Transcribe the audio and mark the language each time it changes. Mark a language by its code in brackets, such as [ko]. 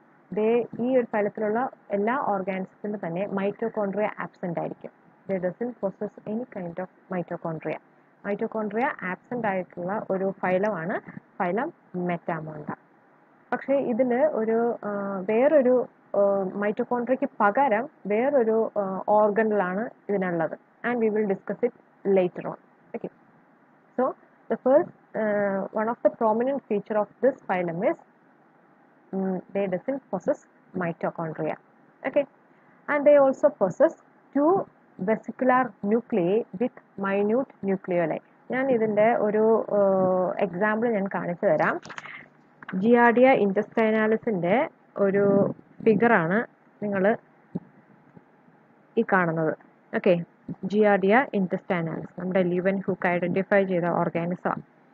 [en] This phylum has all organisms that mitochondria absent. They doesn't possess any kind of mitochondria. Mitochondria absent is a phylum called phylum Metamonda. But in this phylum, [ml] മൈറ്റോകോൺഡ്രിയയ്ക്ക് പകരം വേറൊരു ഓർഗനിലാണ് ഇതിനുള്ളത്. [en] and we will discuss it later on. Okay. So the first one of the prominent feature of this phylum is they doesn't possess mitochondria. Okay. And they also possess two vesicular nuclei with minute nucleoli. [ml] ഞാൻ ഇതിൻ്റെ ഒരു example ഞാൻ കാണിച്ചു തരാം. ജിയാഡിയ ഇൻ്റസ്റ്റൈനാലിസിൻ്റെ ഒരു ഫിഗറാണ് നിങ്ങൾ ഈ കാണുന്നത്. ഓക്കെ, ജിയാഡിയ ഇൻ്റസ്റ്റൈനാലിസ് നമ്മുടെ ലിവൻ ഹുക്ക് ഐഡൻറ്റിഫൈ ചെയ്ത ഓർഗാനിസമാണ്.